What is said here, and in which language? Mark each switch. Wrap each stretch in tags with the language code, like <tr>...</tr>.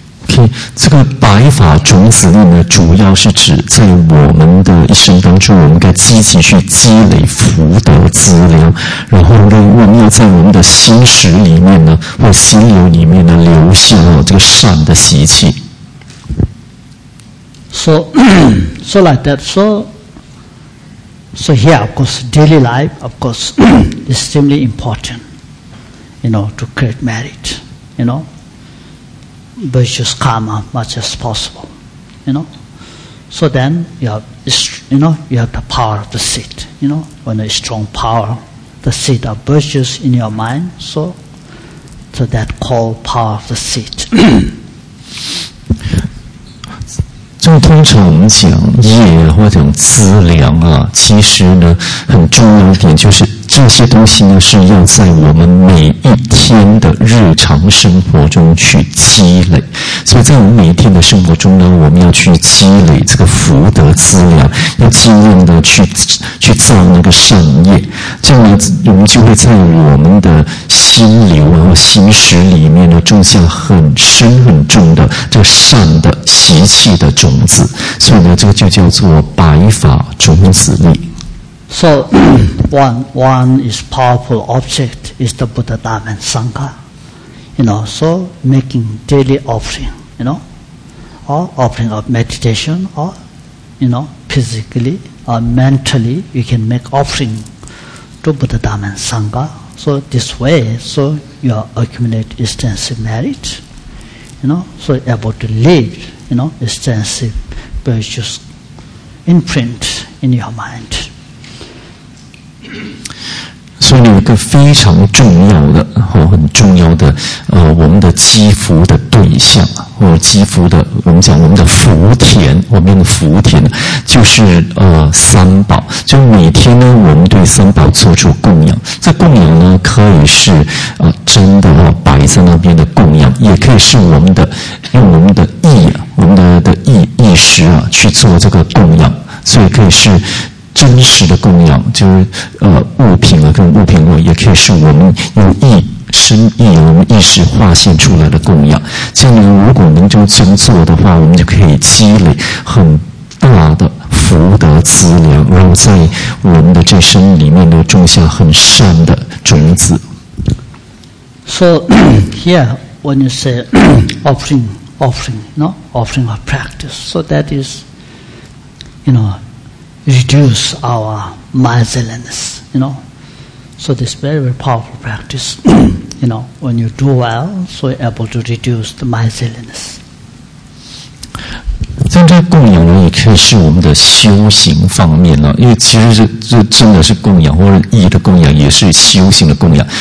<zh>Okay, 这个白法种子力呢，主要是指在我们的一生当中，我们该积极去积累福德资粮，然后呢，我们要在我们的心识里面呢，或心流里面呢，留下了这个善的习气。</zh> <en>So like that. So here, of course, daily life, of course, is extremely important, you know, to create merit, you know, virtuous karma much as possible, you know. So then you have the power of the seed, you know, when a strong power, the seed of virtues in your mind, so that called power of the seed.</en> <zh>就通常我们讲业或者讲资粮啊，其实呢很重要一点就是这些东西呢是要在我们每一天的日常生活中去积累，所以在我们每一天的生活中呢，我们要去积累这个福德资粮，要尽量的去造那个善业，这样呢我们就会在我们的心流啊心识里面呢种下很深很重的这善的习气的种子，所以呢这个就叫做白法种子力。</zh> <en>So, one is powerful object is the Buddha Dharma and Sangha. You know, so making daily offering, you know, or offering of meditation, or, you know, physically or mentally, you can make offering to Buddha Dharma and Sangha. So this way, so you accumulate extensive merit, you know, so able to leave, you know, extensive virtuous imprint in your mind.</en> <zh>所以有一个非常重要的或很重要的我们的积福的对象或积福的我们讲我们的福田，我们的福田就是三宝，就每天呢我们对三宝做出供养，这供养呢可以是真的摆在那边的供养，也可以是我们的用我们的意啊，我们的意识啊去做这个供养，所以可以是真实的供养，就是物品啊，跟物品啊，也可以是我们用意身意，我们意识化现出来的供养。这样呢，如果能够这样做的话，我们就可以积累很大的福德资粮，然后在我们的这身里面呢，种下很善的种子。</zh> <en>So here, when you say offering, no offering of practice, so that is, you know. Reduce our miserliness, you know. So this very, very powerful practice, you know, when you do well, so you're able to reduce the miserliness.</en> <zh>但这供养呢，也可以是我们的修行方面了，因为其实这真的是供养，或者意义的供养，也是修行的供养。</zh>